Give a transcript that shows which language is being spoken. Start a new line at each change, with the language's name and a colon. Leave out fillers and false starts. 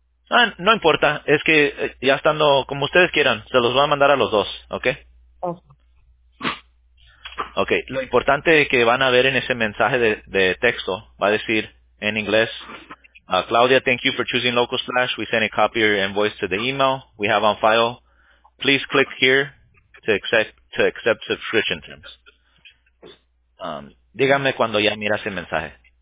Spanish: Ah, no importa, es que ya estando como ustedes quieran, se los va a mandar a los dos, ¿okay? Okay, lo importante que van a ver en ese mensaje de texto va a decir en inglés:
English: Claudia, thank you for choosing Local Slash. We sent a copy of your invoice to the email we have on file. Please click here to accept subscription terms.
Spanish: Dígame cuando ya miras el mensaje.